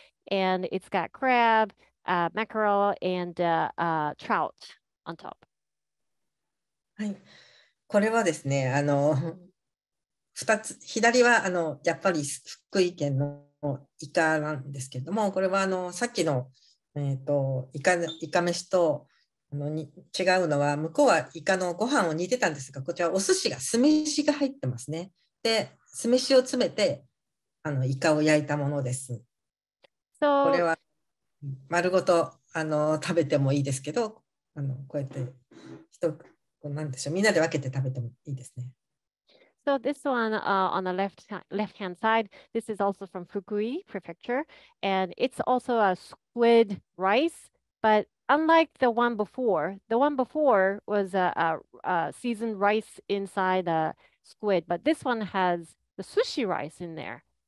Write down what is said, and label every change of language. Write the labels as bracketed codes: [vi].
[en] And it's got crab, mackerel, and trout on top. [ja] はい、これはですね、あの2つ、左はあのやっぱり福井県のイカなんですけれども、これはあのさっきの、イカ飯とあのに違うのは、向こうはイカのご飯を煮てたんですが、こちらお寿司が酢飯が入ってますね。で、酢飯を詰めてあのイカを焼いたものです。 So、これは丸ごとあの食べてもいいですけど、あのこうやって人なんでしょう、みんなで分けて食べてもいいですね。 [en] So this one on the left-hand side, this is also from Fukui Prefecture, and it's also a squid rice, but unlike the one before was a seasoned rice inside a squid, but this one has the sushi rice in there.